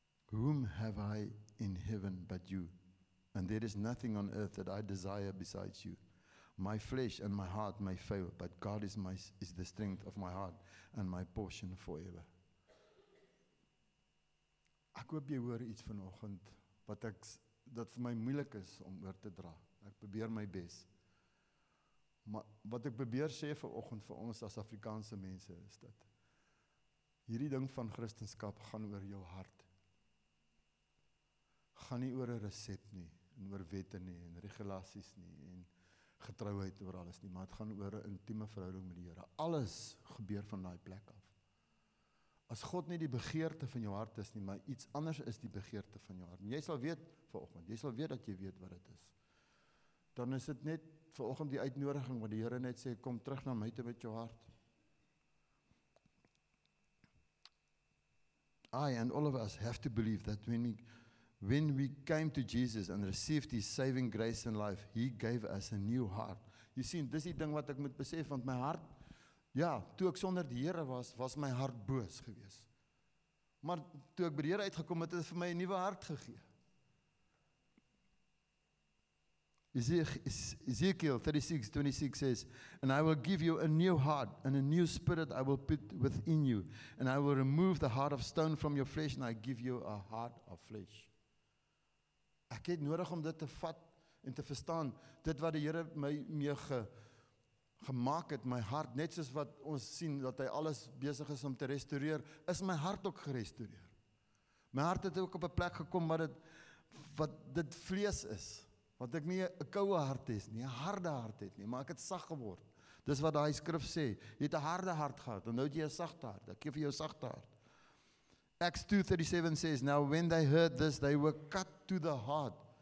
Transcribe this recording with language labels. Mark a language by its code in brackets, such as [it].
[en] Whom have I in heaven but you? And there is nothing on earth that I desire besides you. My flesh and my heart may fail, but God is the strength of my heart and my portion forever. [af] Ek hoop jy hoor iets vanoggend wat ek dat vir my moeilik is om oor te dra. Ek probeer my bes. Maar wat ek probeer sê vanoggend vir ons as Afrikaanse mense is dat hierdie ding van Christenskap gaan oor jou hart. Gaan nie oor 'n resept nie en oor wette nie en regulasies nie en getrouheid oor alles nie, maar dit gaan oor 'n intieme verhouding met die Here. Alles gebeur van daai plek af. As God nie die begeerte van jou hart is nie, maar iets anders is die begeerte van jou hart. En jy sal weet vanoggend, jy sal weet dat jy weet wat dit is. Dan is dit net vanoggend die uitnodiging wat die Here net sê, kom terug na my toe met jou hart. [en] I and all of us have to believe that when we came to Jesus and received his saving grace and life, he gave us a new heart. You see, [af] dis die ding wat ek moet besef, want my hart, ja, toe ek sonder die Here was, was my hart boos gewees. Maar toe ek by die Here uitgekom het, het hy vir my 'n nuwe hart gegee. [en] Ezekiel 36:26 says, and I will give you a new heart and a new spirit I will put within you. And I will remove the heart of stone from your flesh and I give you a heart of flesh. [af] Ek het nodig om dit te vat en te verstaan. Dit wat die Here my mee gemaak het, my hart, net soos wat ons sien dat hy alles besig is om te restoreer, is my hart ook gerestoreer. My hart het ook op 'n plek gekom wat dit vlees is. Want ek nie 'n koue hart is nie, 'n harde hart het nie, maar ek het sag geword. Dis wat daai skrif sê. Jy het 'n harde hart gehad en nou het jy 'n sagte hart. Ek gee vir jou 'n sagte hart. [en] Acts 2:37 says, now when they heard this, they were cut to the heart.